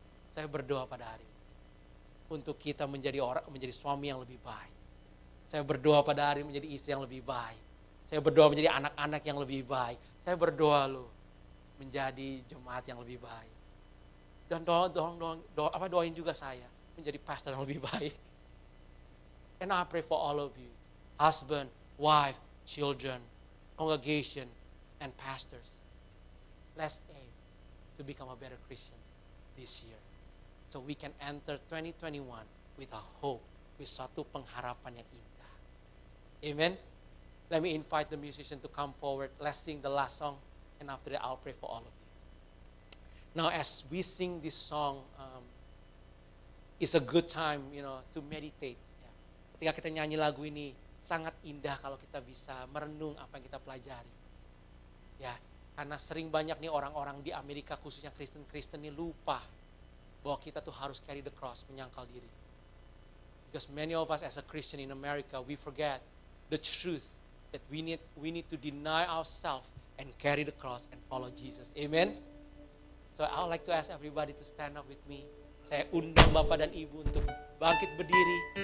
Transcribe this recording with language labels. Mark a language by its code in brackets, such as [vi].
[id] Saya berdoa pada hari ini untuk kita menjadi orang, menjadi suami yang lebih baik. Saya berdoa pada hari menjadi istri yang lebih baik. Saya berdoa menjadi anak-anak yang lebih baik. Saya berdoa lo menjadi jemaat yang lebih baik. Dan doain juga saya menjadi pastor yang lebih baik. [en] And I pray for all of you, husband, wife, children, congregation, and pastors. Let's aim to become a better Christian this year. So we can enter 2021 with a hope, with [id] suatu pengharapan yang indah. [en] Amen. Let me invite the musician to come forward. Let's sing the last song, and after that, I'll pray for all of you. Now, as we sing this song, it's a good time, you know, to meditate. Yeah. [id] Ketika kita nyanyi lagu ini, sangat indah kalau kita bisa merenung apa yang kita pelajari. Ya, karena sering banyak nih orang-orang di Amerika, khususnya Kristen-Kristen nih, lupa bahwa kita tuh harus [en] carry the cross, [id] menyangkal diri. [en] Because many of us as a Christian in America, we forget the truth that we need to deny ourselves and carry the cross and follow Jesus. Amen? So I would like to ask everybody to stand up with me. [id] Saya undang Bapak dan Ibu untuk bangkit berdiri.